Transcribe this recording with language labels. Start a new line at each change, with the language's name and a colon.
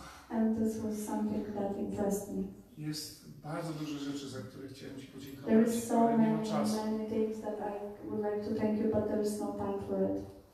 English: And this was something that impressed me.
Polish: Jest bardzo dużo rzeczy, za które chciałem ci podziękować.
English: There is so many things that I would like to thank you, but there is no time for it.